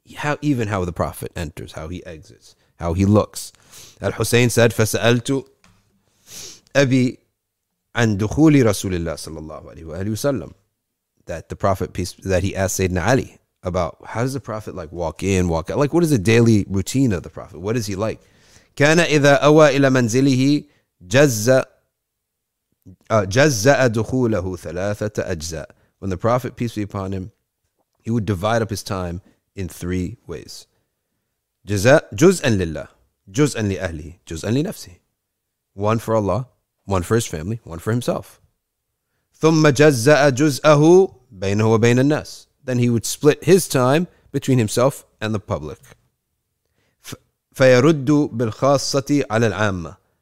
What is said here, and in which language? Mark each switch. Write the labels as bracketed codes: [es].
[en] How, even how the Prophet enters, how he exits, how he looks. [ar] Al-Hussein said, فَسَأَلْتُ أَبِي عَنْ دُخُولِ رَسُولِ اللَّهِ صَلَى اللَّهُ عَلَيْهُ وَسَلَّمُ. [en] That the Prophet, that he asked Sayyidina Ali about how does the Prophet like walk in, walk out? Like, what is the daily routine of the Prophet? What is he like? [ar] كَانَ إِذَا أَوَى إِلَى مَنْزِلِهِ جزأ دخوله ثلاثة أجزاء. [en] When the Prophet, peace be upon him, he would divide up his time in three ways. [ar] جزء لله, جزء لأهله, جزء لنفسه. [en] One for Allah, one for his family, one for himself. [ar] ثم جزأ جزءه بينه وبين الناس. [en] Then he would split his time between himself and the public. [ar] فيرد بالخاصة على العامة.